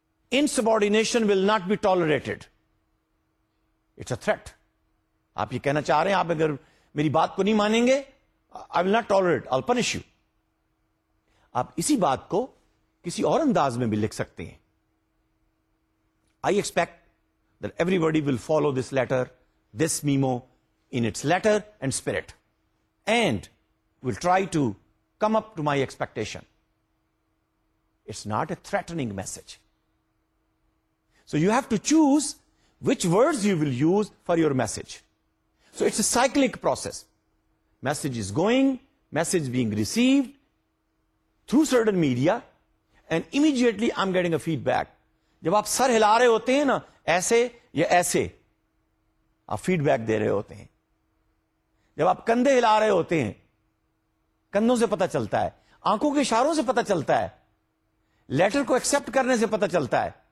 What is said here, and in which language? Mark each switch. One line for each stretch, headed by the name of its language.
English: Insubordination will not be tolerated. It's a threat.
Urdu: آپ یہ کہنا چاہ رہے ہیں آپ اگر میری بات کو نہیں مانیں گے
English: I will not tolerate, I'll punish you.
Urdu: آپ اسی بات کو کسی اور انداز میں بھی لکھ سکتے ہیں.
English: I expect that everybody will follow this letter, this memo in its letter and spirit and will try to come up to my expectation. It's not a threatening message. So you have to choose which words you will use for your message. So it's a cyclic process. Message is going, message being received through certain media and immediately I'm getting a feedback.
Urdu: جب آپ سر ہلا رہے ہوتے ہیں نا ایسے یا ایسے آپ فیڈ بیک دے رہے ہوتے ہیں. جب آپ کندھے ہلا رہے ہوتے ہیں کندھوں سے پتہ چلتا ہے, آنکھوں کے اشاروں سے پتہ چلتا ہے, لیٹر کو ایکسپٹ کرنے سے پتہ چلتا ہے.